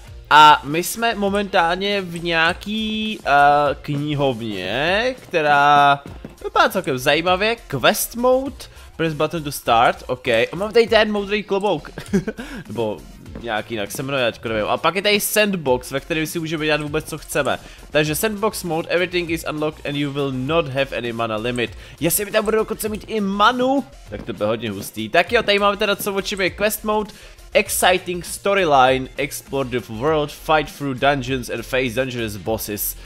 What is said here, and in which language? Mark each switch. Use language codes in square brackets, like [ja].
[cs] A my jsme momentálně v nějaký knihovně, která vypadá celkem zajímavě, quest mode. [en] Press button to start, ok. [cs] A mám tady ten moudrý klobouk. Nebo nějak jinak se jmenuje, ačko nevím. A pak je tady sandbox, ve kterém si můžeme dělat vůbec co chceme. [en] Takže sandbox mode, everything is unlocked and you will not have any mana limit. [cs] Jestli mi tam bude dokonce mít i manu, tak to bude hodně hustý. Tak jo, tady máme teda co o čem je [en] quest mode. Exciting storyline, explore the world, fight through dungeons and face dangerous bosses.